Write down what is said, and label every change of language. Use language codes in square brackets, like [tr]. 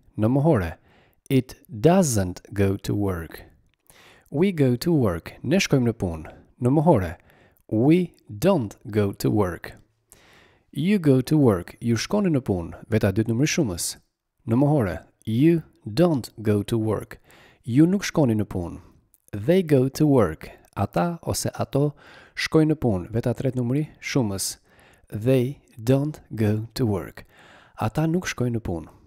[sq] Në mohore, [en] it doesn't go to work. We go to work, [sq] ne shkojmë në punë. Në mohore, [en] we don't go to work. You go to work, [sq] ju shkoni në punë, veta dytë numri shumës. Në mohore, [en] you don't go to work, [sq] ju nuk shkoni në punë. [en] They go to work, [sq] ata ose ato shkojnë në punë, veta tretë numri shumës. [en] They don't go to work, [sq] ata nuk shkojnë në punë.